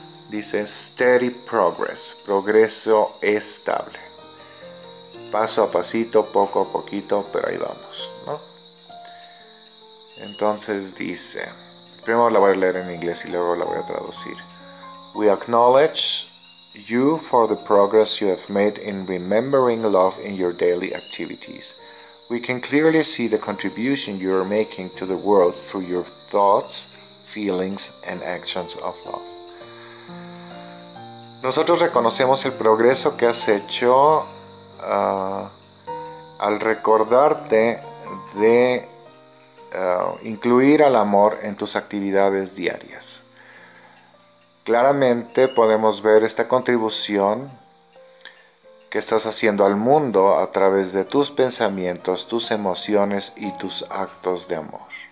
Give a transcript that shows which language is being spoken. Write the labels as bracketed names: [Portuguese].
[Spanish] Dice, [English] steady progress, [Spanish] progreso estable. Paso a pasito, poco a poquito, pero ahí vamos, ¿no? Entonces dice, primero la voy a leer en inglés y luego la voy a traducir. [English] We acknowledge you for the progress you have made in remembering love in your daily activities. We can clearly see the contribution you are making to the world through your thoughts, feelings, and actions of love. [Spanish] Nosotros reconocemos el progreso que has hecho al recordarte de incluir al amor en tus actividades diarias. Claramente podemos ver esta contribución que estás haciendo al mundo a través de tus pensamientos, tus emociones y tus actos de amor.